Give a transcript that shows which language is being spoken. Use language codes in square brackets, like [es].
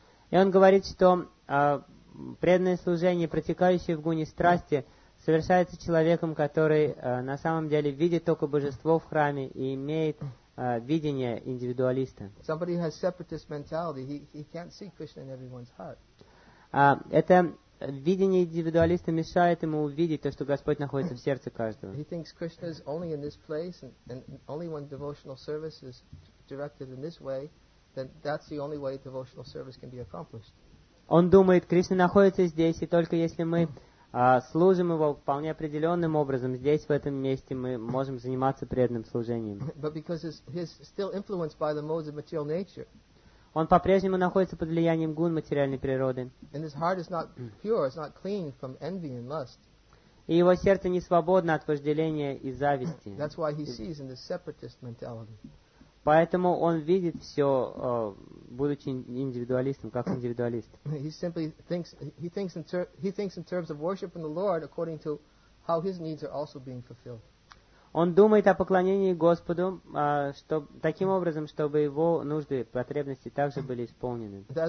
[ru] И Он говорит, что преданное служение, протекающее в гуне страсти, совершается человеком, который на самом деле видит только Божество в храме и имеет видение индивидуалиста. [en] Somebody has separatist mentality. He can't see Krishna in everyone's heart. [ru] Это видение индивидуалиста мешает ему увидеть то, что Господь находится в сердце каждого. [en] He thinks Krishna is only in this place, and only when devotional service is directed in this way, then that's the only way devotional service can be accomplished. [ru] Он думает, Кришна находится здесь, и только если мы служим его вполне определенным образом здесь, в этом месте, мы можем заниматься преданным служением. [en] But because he's still influenced by the modes of material nature. [ru] Он по-прежнему находится под влиянием гун материальной природы. [en] And his heart is not pure, it's not clean from envy and lust. [ru] И его сердце не свободно от вожделения и зависти. [en] That's why he sees in the separatist mentality. [ru] Поэтому он видит все, будучи индивидуалистом, как индивидуалист. [en] He thinks in terms of worshiping the Lord according to how his needs are also being fulfilled. [ru] Он думает о поклонении Господу таким образом, чтобы его нужды, потребности также были исполнены.